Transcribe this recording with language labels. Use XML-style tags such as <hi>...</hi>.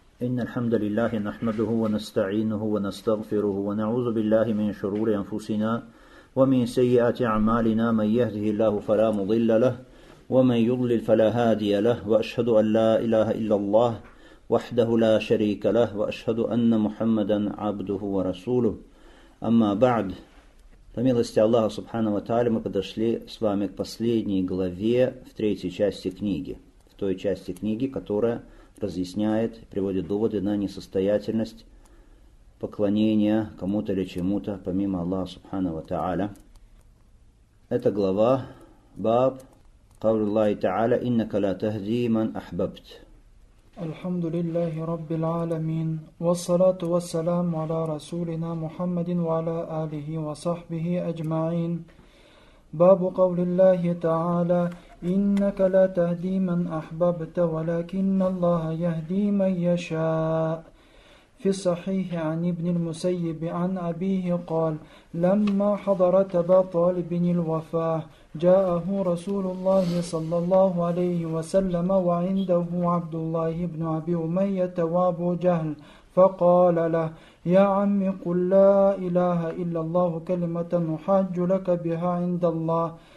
<ar>إن الحمد لله نحمده ونستعينه ونستغفره ونعوذ بالله من شرور أنفسنا ومن سيئات أعمالنا، من يهده الله فلا مضل له ومن يضلل فلا هادي له، وأشهد أن لا إله إلا الله وحده لا شريك له، وأشهد أن محمدا عبده ورسوله. أما بعد، فمилости الله سبحانه وتعالى</ar> <ru>мы подошли с вами к последней главе в третьей части книги. В той части книги, которая разъясняет, приводит доводы на несостоятельность поклонения кому-то или чему-то, помимо Аллаха Субхана ва Та'аля. Это глава</ru> <ar>Баб Кавли Аллахи Та'аля «Иннака ла тахди ман ахбабт». Алхамду лиллахи раббил аламин, вассалату вассаламу аля расулина Мухаммадин ва аля алихи ва сахбихи аджмаин. Бабу Кавли Аллахи Та'аля إنك لا تهدي من أحببت ولكن الله يهدي من يشاء. في الصحيح عن ابن المسيب عن أبيه قال لما حضرت أبا طالب الوفاة جاءه رسول الله صلى الله عليه وسلم وعنده عبد الله بن أبي أمية وأبو جهل فقال له يا عم قل لا إله إلا الله كلمة أحج لك بها عند الله</ar>